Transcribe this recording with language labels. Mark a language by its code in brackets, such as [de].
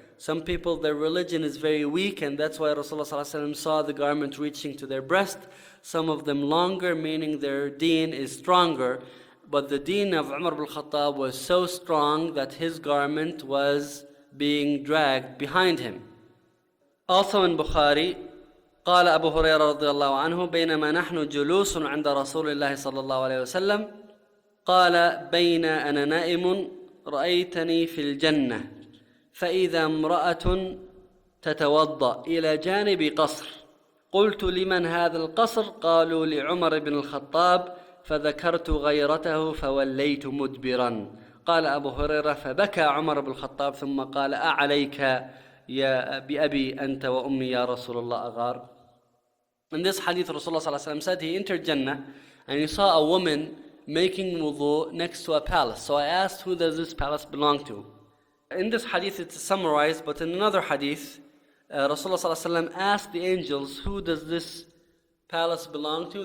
[en] Some people, their religion is very weak, and that's why Rasulullah ﷺ saw the garment reaching to their breast. Some of them longer, meaning their deen is stronger. But the deen of Umar ibn al-Khattab was so strong that his garment was being dragged behind him. Also in Bukhari, [ar] قال أبو هريرة رضي الله عنه بينما نحن جلوس عند رسول الله صلى الله عليه وسلم قال بين أنا نائم رأيتني في الجنة فإذا امرأة تتوضأ إلى جانب قصر قلت لمن هذا القصر قالوا لعمر بن الخطاب فذكرت غيرته فوليت مدبرا قال أبو هريرة فبكى عمر بن الخطاب ثم قال أعليك يا بأبي أنت وأمي يا رسول الله أغار. [en] In this hadith, Rasulullah ﷺ said he entered Jannah and he saw a woman making wudu next to a palace. So I asked, who does this palace belong to? In this hadith, it's summarized, but in another hadith, Rasulullah ﷺ asked the angels, who does this palace belong to?